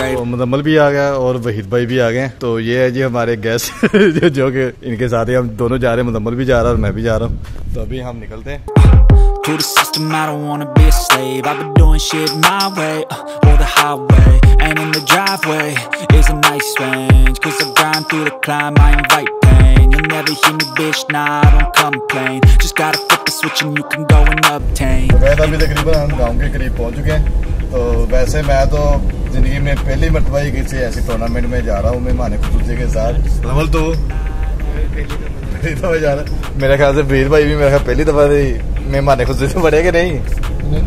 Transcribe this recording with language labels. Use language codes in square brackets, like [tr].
[hi] मुदम्मल भी आ गया और वहीद भाई भी आ गए, तो ये है जी हमारे गेस्ट जो कि इनके साथ ही हम दोनों जा रहे हैं, मुदम्मल भी जा रहा है और मैं भी जा रहा हूँ, तो अभी हम निकलते हैं। [en] To the system, I don't wanna be a slave. I've been doing shit my way, or the highway. And in the driveway is a nice range. 'Cause I grind through the climb, I invite pain. You'll never hear me, bitch. Nah, I don't complain. Just gotta flip the switch and you can go and obtain. [hi] तो वैसे अभी तकरीबन हम गांव के करीब पहुंच चुके हैं। तो वैसे मैं तो जिंदगी में पहली मरतबा ही किसी ऐसे टूर्नामेंट में जा रहा हूँ मेहमान खुसूसी के साथ। रमल तो पहली दफा जा रहा है, मेरे ख्याल से वीर भाई भी मेरे ख्याल पहली दफा थी मेहमान खुशी से बढ़े के नहीं